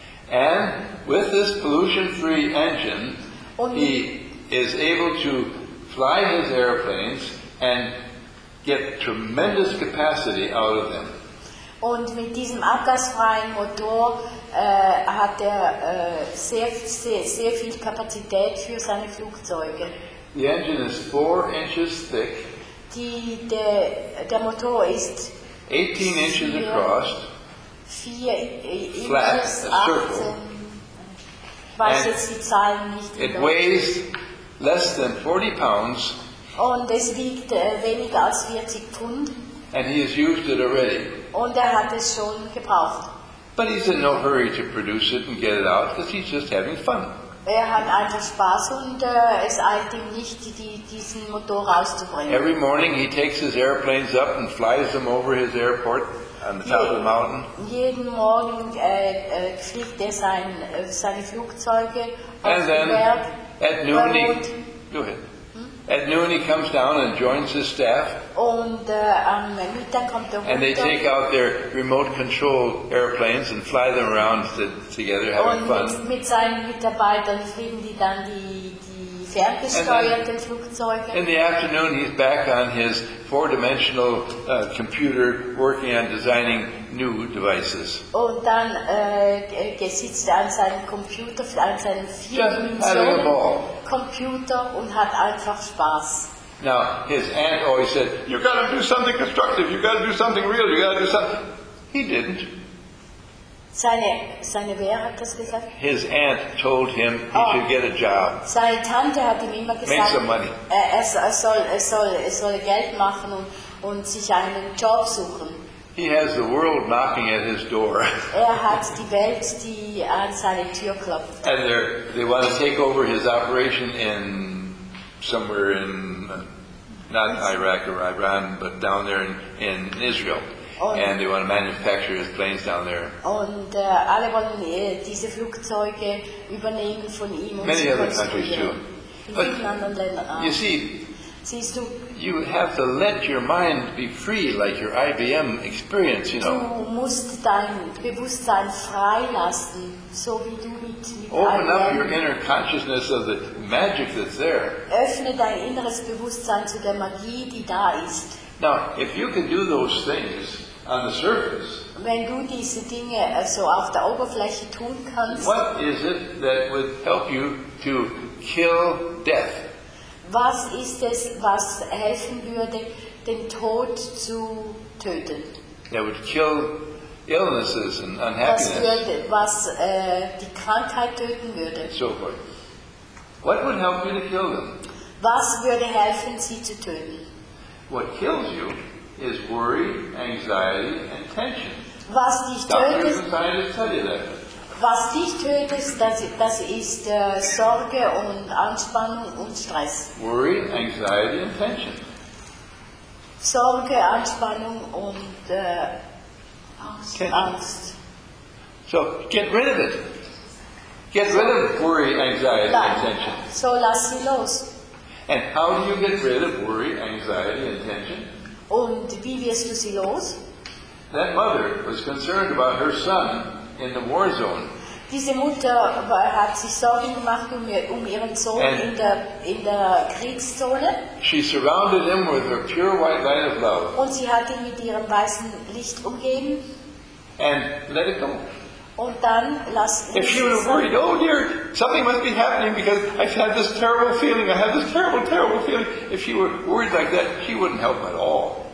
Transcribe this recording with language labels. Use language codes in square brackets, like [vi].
[en] And with this pollution-free engine, [de] und [en] he is able to fly his airplanes and get tremendous capacity out of them. [de] Und mit diesem abgasfreien Motor hat er sehr viel Kapazität für seine Flugzeuge. [en] The engine is 4 inches thick. [de] Der Motor ist [en] 18 inches across. [de] 4 [en] flat, a circle. [de] Weiß jetzt die Zahlen nicht. [en] It weighs less than 40 pounds. [de] Und es wiegt weniger als 40 Pfund. [en] And he has used it already. [de] Und hat es schon gebraucht. [en] But he's in no hurry to produce it and get it out because he's just having fun. [de] Er hat einfach Spaß und es eilt ihm nicht, diesen Motor rauszubringen. [en] Every morning he takes his airplanes up and flies them over his airport on the top of the mountain. [de] Jeden Morgen fliegt er seine Flugzeuge auf den Berg. [en] At noon he, go ahead. At noon he comes down and joins his staff. [de] Und am Mittag kommt er runter. [en] And they take out their remote control airplanes and fly them around together having fun. [de] Und mit seinen Mitarbeitern fliegen die dann die ferngesteuerten Flugzeuge. [en] In the afternoon he's back on his four-dimensional computer working on designing new devices. [de] Und dann sitzt er an seinem Computer, an seinem vierdimensionalen Computer und hat einfach Spaß. [en] Now, his aunt always said, you've got to do something constructive, you've got to do something real, you've got to do something. He didn't. [de] Seine wer hat das gesagt? [en] His aunt told him he should get a job. [de] Seine Tante hat ihm immer gesagt, [en] make some money. [de] Er soll Geld machen und sich einen Job suchen. [en] He has the world knocking at his door. [de] Er hat die Welt, die an seine Tür klopft. [en] And they want to take over his operation in somewhere in, not Iraq or Iran, but down there in Israel. And they want to manufacture his planes down there. [de] Und alle wollen diese Flugzeuge übernehmen von ihm. [en] Many other countries too. [de] But in anderen Ländern auch. [en] You see, you have to let your mind be free, like your IBM experience, you know. [de] Du musst dein Bewusstsein freilassen, so wie du mit IBM. [en] Open up your inner consciousness of the magic that's there. [de] Öffne dein inneres Bewusstsein zu der Magie, die da ist. [en] Now, if you can do those things on the surface, [de] wenn du diese Dinge also auf der Oberfläche tun kannst, [en] what is it that would help you to kill death? [de] Was ist es, was helfen würde, den Tod zu töten? [en] That would kill illnesses and unhappiness. [de] Was die Krankheit töten würde. [en] So forth. What would help you to kill them? [de] Was würde helfen, sie zu töten? [en] What kills you is worry, anxiety and tension. [de] Was dich tötet? [en] Doctors and scientists tell you that. [de] Was dich tötet, das ist Sorge und Anspannung und Stress. [en] Worry, anxiety and tension. [de] Sorge, Anspannung und Angst. [en] So, get rid of it. Get rid of worry, anxiety and tension. [de] So, lass sie los. [en] And how do you get rid of worry, anxiety and tension? [de] Und wie wirst du sie los? [en] That mother was concerned about her son in the war zone. [de] Diese Mutter hat sich Sorgen gemacht um ihren Sohn in der Kriegszone. [en] She surrounded him with her pure white light of love. [de] Und sie hat ihn mit ihrem weißen Licht umgeben. [en] And let it go. [de] Und dann [en] if she would have worried, oh dear, something must be happening because I've had this terrible feeling, I have this terrible, terrible feeling. If she were worried like that, she wouldn't help at all.